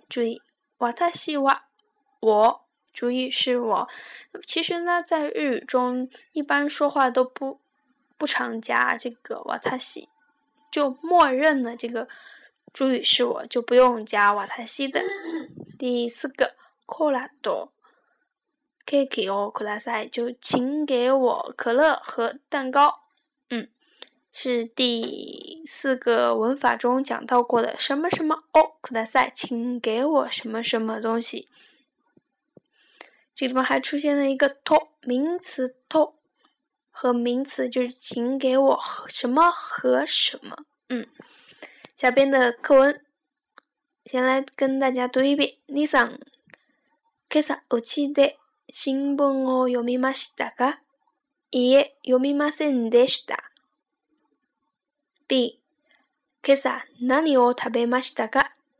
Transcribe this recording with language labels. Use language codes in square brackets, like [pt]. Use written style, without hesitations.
[zh] 注意私は我，主语是我。其实呢在日语中一般说话都不常加这个わたし，就默认了这个主语是我，就不用加わたし的。第四个 [ja] コーラとケーキをください， [zh] 就请给我可乐和蛋糕。是第四个文法中讲到过的什么什么をください，请给我什么什么东西。这里面还出现了一个と，名词と和名词，就是请给我什么和什么。下边的课文先来跟大家读一遍。 [ja] 李さん、今朝うちで新聞を読みましたか？いいえ、読みませんでした。B、今朝何を食べましたか？